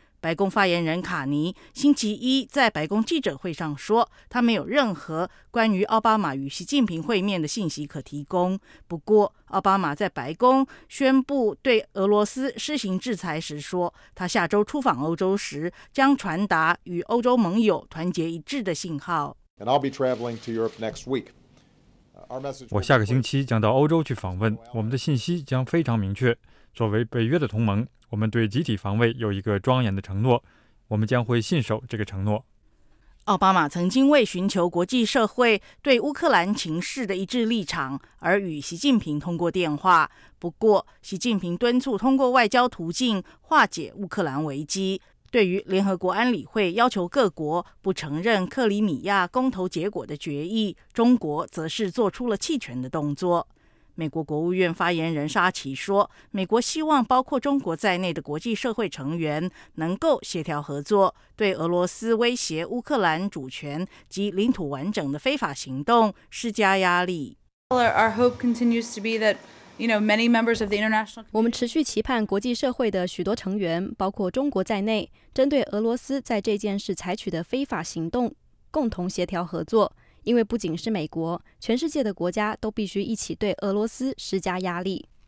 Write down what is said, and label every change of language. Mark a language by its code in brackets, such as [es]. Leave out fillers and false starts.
[zh] 白宫发言人卡尼星期一在白宫记者会上说，他没有任何关于奥巴马与习近平会面的信息可提供。不过，奥巴马在白宫宣布对俄罗斯施行制裁时说，他下周出访欧洲时将传达与欧洲盟友团结一致的信号。 [en] And I'll be traveling to Europe next week. [zh] 我下个星期将到欧洲去访问，我们的信息将非常明确。作为北约的同盟，我们对集体防卫有一个庄严的承诺，我们将会信守这个承诺。奥巴马曾经为寻求国际社会对乌克兰情势的一致立场而与习近平通过电话，不过习近平敦促通过外交途径化解乌克兰危机，对于联合国安理会要求各国不承认克里米亚公投结果的决议，中国则是做出了弃权的动作。美国国务院发言人沙奇说，美国希望包括中国在内的国际社会成员能够协调合作，对俄罗斯威胁乌克兰主权及领土完整的非法行动施加压力。 [en] Our hope continues to be that [zh] 我们持续期盼国际社会的许多成员，包括中国在内，针对俄罗斯在这件事采取的非法行动，共同协调合作。因为不仅是美国，全世界的国家都必须一起对俄罗斯施加压力。